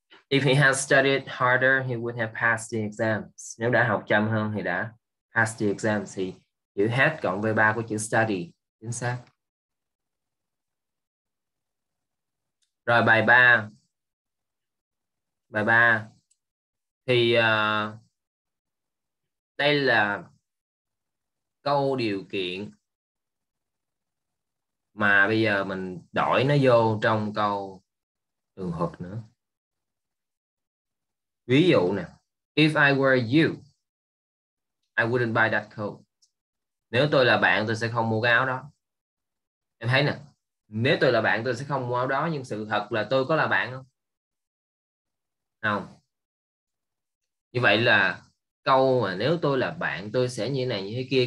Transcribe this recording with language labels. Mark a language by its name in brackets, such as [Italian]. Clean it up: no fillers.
[English] If he has studied harder, he would have passed the exams. [Vietnamese] Nếu đã học chăm hơn thì đã [English] passed the exams. [Vietnamese] Thì chữ hết cộng với ba của chữ study. Chính xác. Rồi bài 3. Bài 3. Thì đây là câu điều kiện mà bây giờ mình đổi nó vô trong câu trường hợp nữa. Ví dụ nè. [English] If I were you, I wouldn't buy that coat. [Vietnamese] Nếu tôi là bạn, tôi sẽ không mua cái áo đó. Em thấy nè. Nếu tôi là bạn tôi sẽ không mua áo đó. Nhưng sự thật là tôi có là bạn không? Không. Như vậy là câu mà nếu tôi là bạn tôi sẽ như thế này như thế kia.